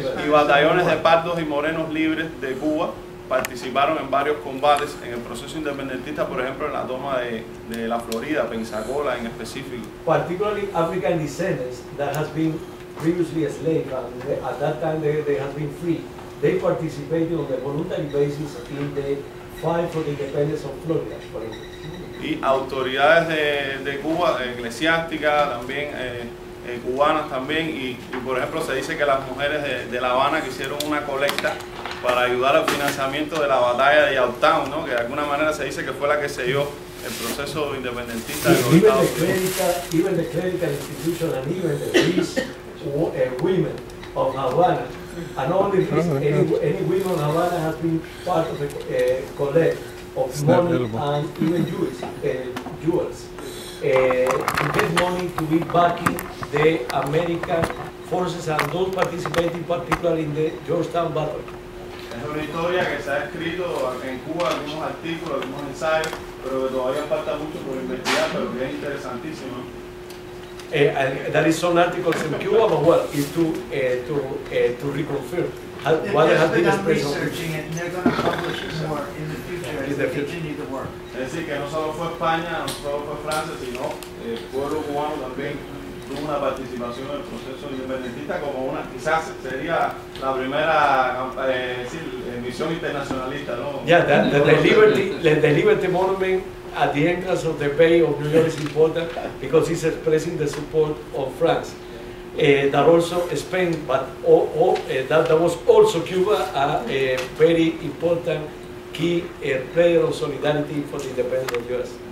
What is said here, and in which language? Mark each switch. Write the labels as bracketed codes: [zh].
[es] Batallones de pardos y morenos libres de Cuba participaron en varios combates en el proceso independentista, por ejemplo, en la toma de la Florida, Pensacola en específico. [en] Particularly African descendants that has been previously enslaved and at that time they have been free. They participated on a voluntary basis in the fight for the independence of Florida, for example. [es] Y autoridades de Cuba, eclesiásticas, también cubanas también, y por ejemplo se dice que las mujeres de La Habana que hicieron una colecta para ayudar al financiamiento de la batalla de Yaltown, ¿no? Que de alguna manera se dice que fue la que selló el proceso independentista de los Estados Unidos. [en] Even the clerical institution and even the peace women of Havana, and only any women of Havana has been part of the collect of money and even jewels. To get money to be backing the American forces and those participating particularly in the Georgetown battle. [es] Es una historia que se ha escrito en Cuba, algunos artículos, algunos ensayos, pero que todavía falta mucho por investigar, pero que es interesantísimo. [en] There is some articles in Cuba, but well, is to reconfirm what has been expressed. They're just researching it, and they're going to publish it more in the future as they continue the work. [es] Es decir, que no solo fue España, no solo fue Francia, sino el pueblo cubano también tuvo una participación en el proceso independentista como una, quizás sería la primera misión internacionalista, ¿no? [en] Yeah, the Liberty Monument at the entrance of the Bay of New York is important because it's expressing the support of France. That also Spain, but that was also Cuba, a very important key player of solidarity for the independence of the U.S.